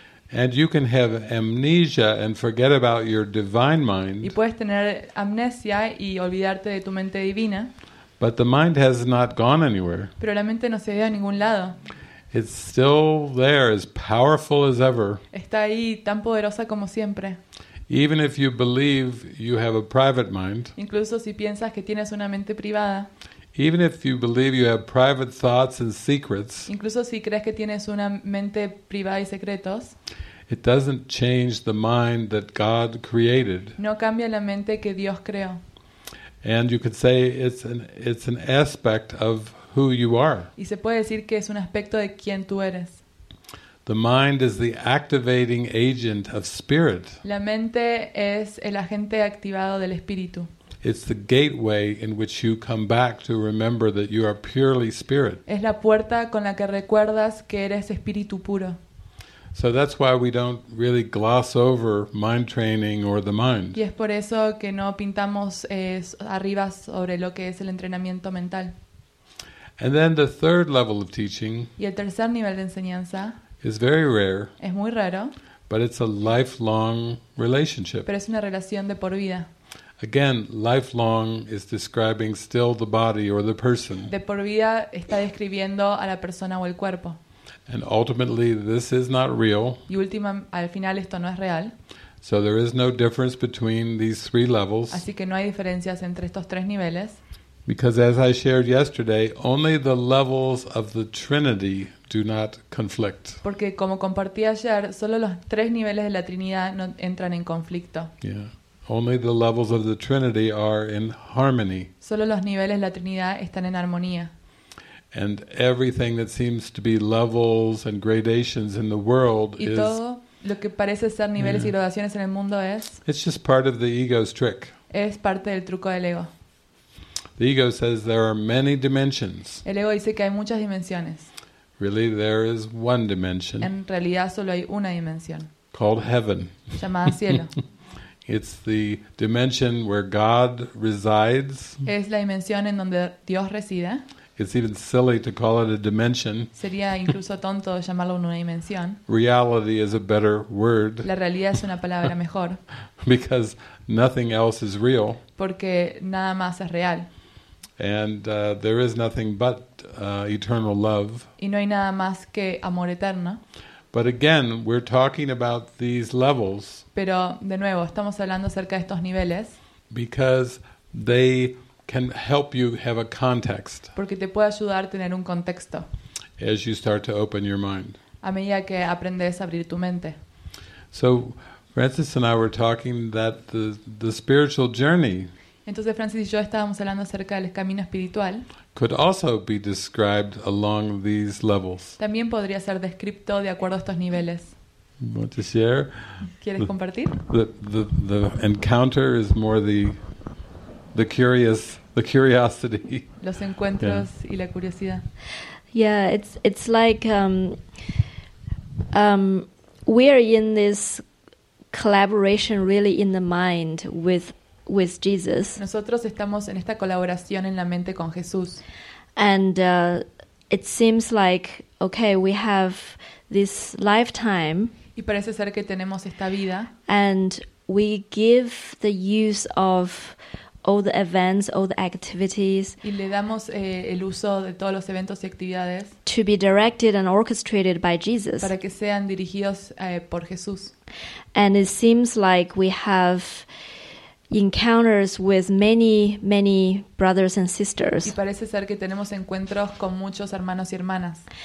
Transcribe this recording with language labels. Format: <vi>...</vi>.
<en>And you can have amnesia and forget about your divine mind.</en> <es>Y puedes tener amnesia y olvidarte de tu mente divina.</es> <en>But the mind has not gone anywhere.</en> <es>Pero la mente no se ha ido a ningún lado.</es> <en>It's still there, as powerful as ever.</en> <es>Está ahí tan poderosa como siempre.</es> <en>Even if you believe you have a private mind.</en> <es>Incluso si piensas que tienes una mente privada.</es> <en>Even if you believe you have private thoughts and secrets.</en> <es>Incluso si crees que tienes una mente privada y secretos.</es> <en>It doesn't change the mind that God created.</en> <es>No cambia la mente que Dios creó.</es> <en>And you could say it's an aspect of who you are.</en> <es>Y se puede decir que es un aspecto de quién tú eres.</es> <en>The mind is the activating agent of spirit.</en> <es>La mente es el agente activado del espíritu.</es> <en>It's the gateway in which you come back to remember that you are purely spirit.</en> <es>Es la puerta con la que recuerdas que eres espíritu puro.</es> <en>So that's why we don't really gloss over mind training or the mind.</en> <es>Y es por eso que no pintamos arriba sobre lo que es el entrenamiento mental.</es> <en>And then the third level of teaching.</en> <es>Y el tercer nivel de enseñanza.</es> <en>Is very rare.</en> <es>Es muy raro.</es> <en>But it's a lifelong relationship.</en> <es>Pero es una relación de por vida.</es> <en>Again, lifelong is describing still the body or the person.</en> <es>De por vida está describiendo a la persona o el cuerpo.</es> <en>And ultimately, this is not real.</en> <es>Y última, al final esto no es real.</es> <en>So there is no difference between these three levels.</en> <es>Así que no hay diferencias entre estos tres niveles.</es> <en>Because as I shared yesterday, only the levels of the Trinity do not conflict.</en> <es>Porque como compartí ayer, solo los tres niveles de la Trinidad no entran en conflicto.</es> <en>Yeah. Only the levels of the Trinity are in harmony.</en> <es>Solo los niveles de la Trinidad están en armonía.</es> <en>And everything that seems to be levels and gradations in the world</en> <es>y todo lo que parece ser niveles y gradaciones en el mundo es.</es> <en>It's just part of the ego's trick.</en> <es>Es parte del truco del ego.</es> <en>The ego says there are many dimensions.</en> <es>El ego dice que hay muchas dimensiones.</es> <en>Really, there is one dimension.</en> <es>En realidad solo hay una dimensión.</es> <en>Called heaven.</en> <es>Llamada cielo.</es> <en>It's the dimension where God resides.</en> <es>Es la dimensión en donde Dios reside.</es> <en>It's even silly to call it a dimension.</en> <es>Sería incluso tonto llamarlo una dimensión.</es> <en>Reality is a better word.</en> <es>La realidad es una palabra mejor.</es> <en>Because nothing else is real.</en> <es>Porque nada más es real.</es> <en>And there is nothing but eternal love.</en> <es>Y no hay nada más que amor eterno.</es> <en>But again, we're talking about these levels.</en> <es>Pero de nuevo, estamos hablando acerca de estos niveles.</es> <en>Because they can help you have a context.</en> <es>Porque te puede ayudar a tener un contexto.</es> <en>As you start to open your mind.</en> <es>A medida que aprendes a abrir tu mente.</es> <en>So Francis and I were talking that the spiritual journey.</en> <es>Entonces Francis y yo estábamos hablando acerca del camino espiritual.</es> <en>Could also be described along these levels.</en> <es>También podría ser descrito de acuerdo a estos niveles.</es> <en>Want to share?</en> <es>¿Quieres compartir?</es> <en>The encounter is more the curiosity.</en> <es>Los encuentros y la curiosidad.</es> <en>Yeah, it's like we are in this collaboration really in the mind with Jesus.</en> <es>Nosotros estamos en esta colaboración en la mente con Jesús.</es> <en>And it seems like okay, we have this lifetime.</en> <es>Y parece ser que tenemos esta vida.</es> <en>And we give the use of all the events, all the activities.</en> <es>Y le damos el uso de todos los eventos y actividades.</es> <en>To be directed and orchestrated by Jesus.</en> <es>Para que sean dirigidos por Jesús.</es> <en>And it seems like we have encounters with many brothers and sisters.</en> <es>Y parece ser que tenemos encuentros con muchos hermanos y hermanas.</es>